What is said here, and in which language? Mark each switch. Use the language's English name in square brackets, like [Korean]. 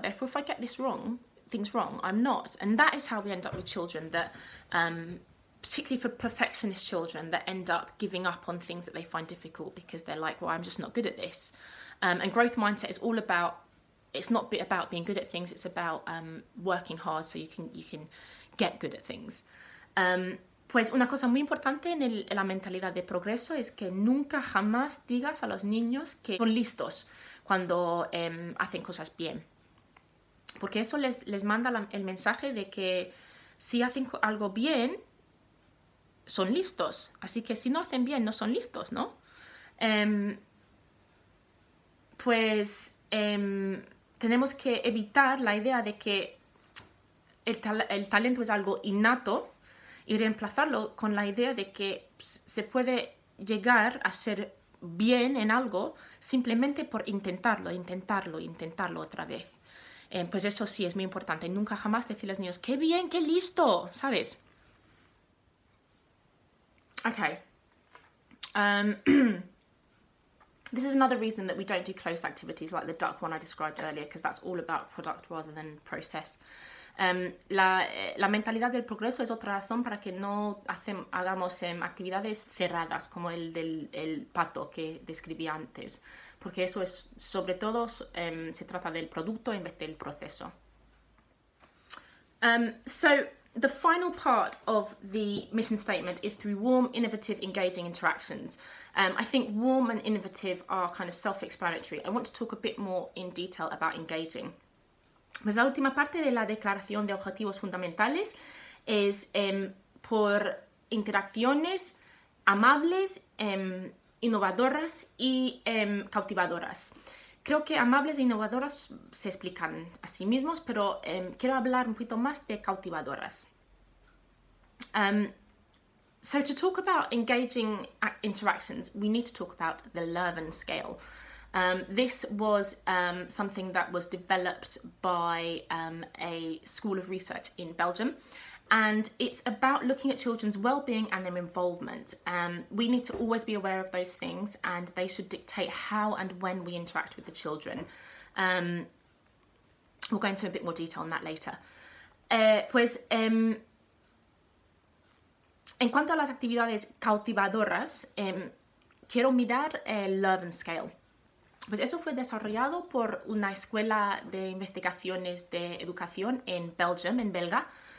[English] Therefore, if I get this wrong, things wrong, I'm not. And that is how we end up with children that, particularly for perfectionist children, that end up giving up on things that they find difficult because they're like, well, I'm just not good at this. And growth mindset is all about, it's not about being good at things, it's about working hard so you can get good at things. [Spanish] Pues una cosa muy importante en la mentalidad de progreso es que nunca jamás digas a los niños que son listos cuando hacen cosas bien, porque eso les manda el mensaje de que si hacen algo bien, son listos. Así que si no hacen bien, no son listos, ¿no? Pues tenemos que evitar la idea de que el talento es algo innato y reemplazarlo con la idea de que se puede llegar a ser bien en algo simplemente por intentarlo otra vez. Pues eso sí es muy importante. Nunca jamás decir a los niños, ¡qué bien, qué listo! ¿Sabes? [English] Okay. This is another reason that we don't do closed activities like the duck one I described earlier, because that's all about product rather than process. [Spanish] La mentalidad del progreso es otra razón para que no hagamos actividades cerradas como el del el pato que describí antes, porque eso es sobre todo se trata del producto en vez del proceso. [English] So the final part of the mission statement is through warm, innovative, engaging interactions. I think warm and innovative are kind of self-explanatory. I want to talk a bit more in detail about engaging. [Spanish] Pues la última parte de la declaración de objetivos fundamentales es por interacciones amables, innovadoras y cautivadoras. Creo que amables e innovadoras se explican a sí mismos, pero quiero hablar un poquito más de cautivadoras. [English] So to talk about engaging interactions, we need to talk about the Lurven scale. This was something that was developed by a school of research in Belgium, and it's about looking at children's well-being and their involvement. We need to always be aware of those things, and they should dictate how and when we interact with the children. We'll go into a bit more detail on that later. [Spanish] Pues, en cuanto a las actividades cautivadoras, quiero mirar el Lurven scale. Pues eso fue desarrollado por una escuela de investigaciones de educación en Belgium, en Belga.